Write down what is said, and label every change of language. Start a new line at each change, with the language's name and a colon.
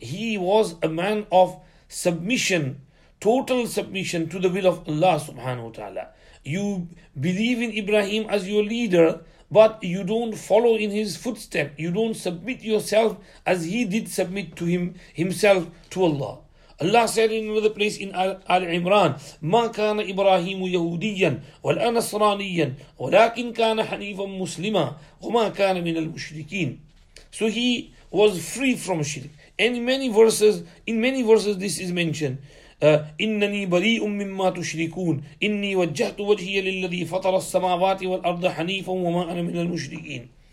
English: He was a man of submission, total submission to the will of Allah subhanahu wa ta'ala. You believe in Ibrahim as your leader, but you don't follow in his footstep. You don't submit yourself as he did submit to himself to Allah. Allah said in another place in Al-Imran,
Arabic: مَا كَانَ إِبْرَاهِيمُ يَهُودِيًّا وَلَا نَصْرَانِيًّا وَلَكِنْ كَانَ حَنِيفًا مُسْلِمًا وَمَا كَانَ مِنَ الْمُشْرِكِينَ.
English: So he was free from shirk. And in many verses this is mentioned,
Arabic: إِنَّنِي بَرِيءٌ مِّمَّا تُشْرِكُونَ إِنِّي وَجَّهْتُ وَجْهِيَ لِلَّذِي فَطَرَ السَّمَاوَاتِ وَالْأَرْضَ حَنِيفًا وَمَا أَنَا مِنَ الْمُشْرِكِينَ.